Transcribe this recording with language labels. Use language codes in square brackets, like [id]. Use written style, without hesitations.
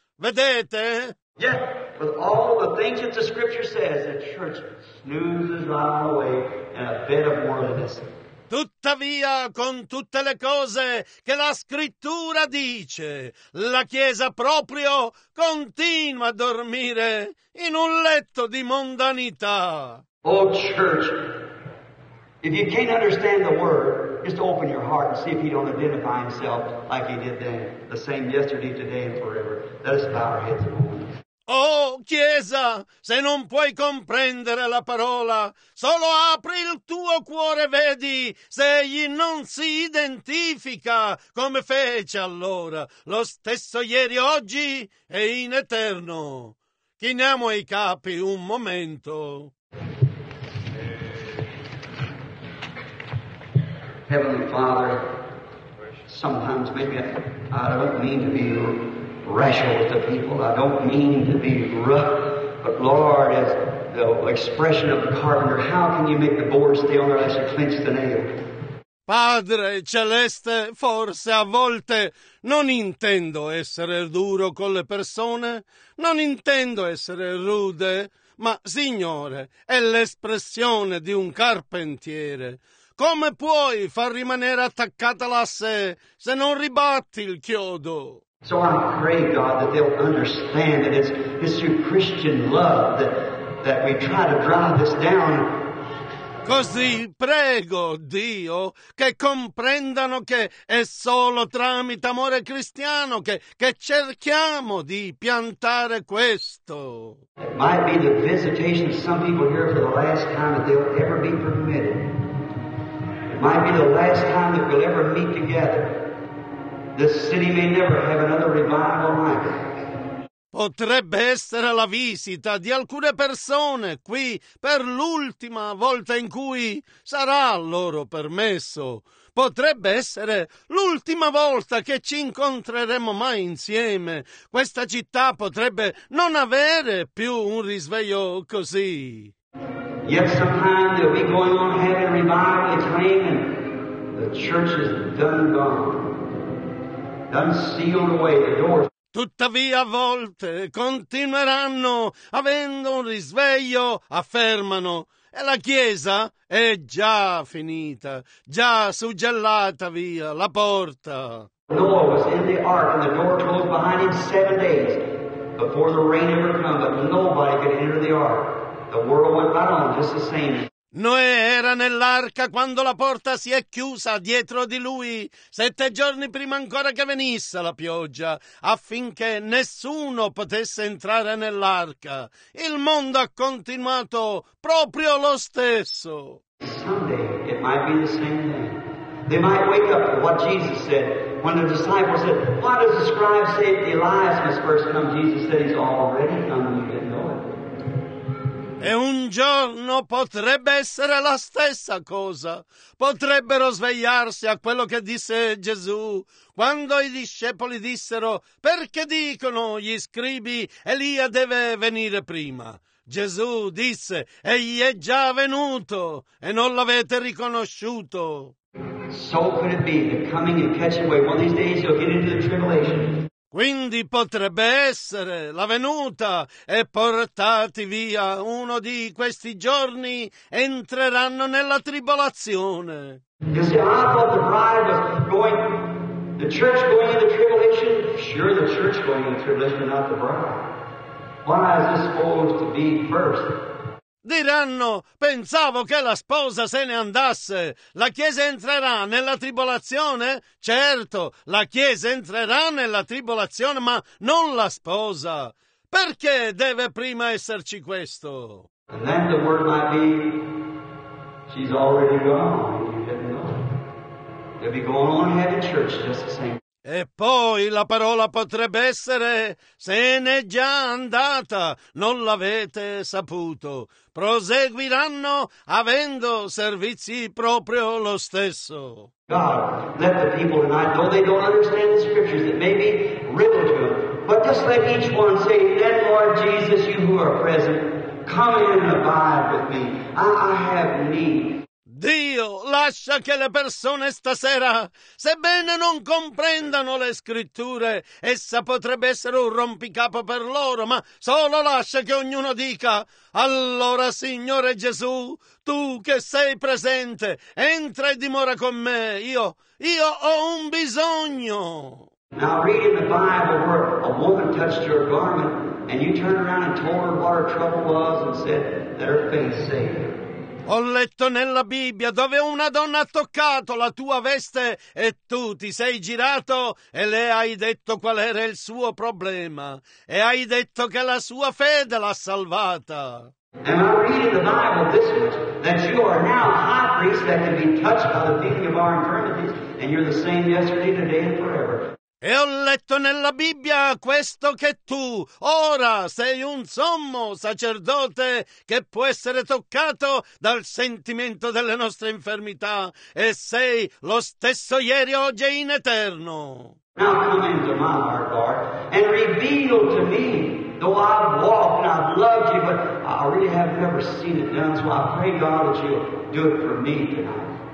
[it] Vedete? [en] Yet, with all the things that the scripture says, the church snoozes on the way in a bed of worldliness. [it] Tuttavia, con tutte le cose che la scrittura dice, la Chiesa proprio continua a dormire in un letto di mondanità. [en] Oh, church! If you can't understand the word, just open your heart and see if he don't identify himself like he did then, the same yesterday, today, and forever. Let us bow our heads and open. [it] Oh, Chiesa, se non puoi comprendere la parola, solo apri il tuo cuore e vedi se egli non si identifica come fece allora, lo stesso ieri, oggi e in eterno. Chiniamo i capi un momento. [en] Heavenly Father, sometimes maybe I don't mean to be rash with the people. I don't mean to be rough. But Lord, as the expression of the carpenter, how can you make the board stay on there unless you clench the nail? [it] Padre Celeste, forse a volte non intendo essere duro con le persone, non intendo essere rude, ma Signore, è l'espressione di un carpentiere. Come puoi far rimanere attaccata l'asse se non ribatti il chiodo? [en] So I pray, God, that they'll understand that it's through Christian love that we try to drive this down. [it] Così prego, Dio, che comprendano che è solo tramite amore cristiano che cerchiamo di piantare questo. [en] It might be the visitation of some people here for the last time that they'll ever be permitted. Might be the last time that we'll ever meet together. This city may never have another revival like it. [it] Potrebbe essere la visita di alcune persone qui per l'ultima volta in cui sarà loro permesso. Potrebbe essere l'ultima volta che ci incontreremo mai insieme. Questa città potrebbe non avere più un risveglio così. [en] Yet sometime they'll be going on having revival, it's raining. The church is done gone. Done sealed away the doors. [it] Tuttavia a volte continueranno avendo un risveglio, affermano, e la chiesa è già finita, già suggellata via la porta. [en] Noah was in the ark and the door closed behind him 7 days before the rain ever come, but nobody could enter the ark. The world went on just the same. [it] Noè era nell'arca quando la porta si è chiusa dietro di lui, 7 giorni prima ancora che venisse la pioggia, affinché nessuno potesse entrare nell'arca. Il mondo ha continuato proprio lo stesso. [en] Someday it might be the same day. They might wake up to what Jesus said when the disciples said, "Why does the scribe say that Elias must first come?" Jesus said, "He's already come, and you didn't know it." [it] E un giorno potrebbe essere la stessa cosa. Potrebbero svegliarsi a quello che disse Gesù quando i discepoli dissero: "Perché dicono gli scribi Elia deve venire prima?" Gesù disse: "Egli è già venuto e non l'avete riconosciuto." [en] So could it be the coming and catching away. One of these days you'll get into the tribulation. [it] Quindi potrebbe essere la venuta e portati via uno di questi giorni entreranno nella tribolazione. [en] You see, I thought the bride was going, the church going into tribulation. Sure, the church going into tribulation, not the bride. Why is this supposed to be first? [it] Diranno, pensavo che la sposa se ne andasse. La Chiesa entrerà nella tribolazione? Certo, la Chiesa entrerà nella tribolazione, ma non la sposa. Perché deve prima esserci questo? [en] And then the word might be, she's already gone. They'll be going on ahead of church just the same. [it] E poi la parola potrebbe essere, se n'è già andata, non l'avete saputo. Proseguiranno avendo servizi proprio lo stesso. [en] God, let the people tonight know they don't understand the scriptures that may be riddled to them. But just let each one say, let Lord Jesus, you who are present, come in and abide with me. I have need. [it] Dio, lascia che le persone stasera, sebbene non comprendano le scritture, essa potrebbe essere un rompicapo per loro, ma solo lascia che ognuno dica, allora Signore Gesù, tu che sei presente, entra e dimora con me, io ho un bisogno. [en] Now read in the Bible where a woman touched your garment and you turned around and told her what her trouble was and said that her faith saved her. [it] Ho letto nella Bibbia dove una donna ha toccato la tua veste e tu ti sei girato e le hai detto qual era il suo problema e hai detto che la sua fede l'ha salvata. [en] And I read in the Bible this much, that you are now a high priest that can be touched by the feeling of our infirmities and you're the same yesterday, today and forever. [it] E ho letto nella Bibbia questo che tu, ora, sei un sommo sacerdote che può essere toccato dal sentimento delle nostre infermità e sei lo stesso ieri, oggi e in eterno. [en] Now come into my heart, Lord, and reveal to me, though I've walked and I've loved you, but I really have never seen it done, so I pray, God, that you'll do it for me tonight.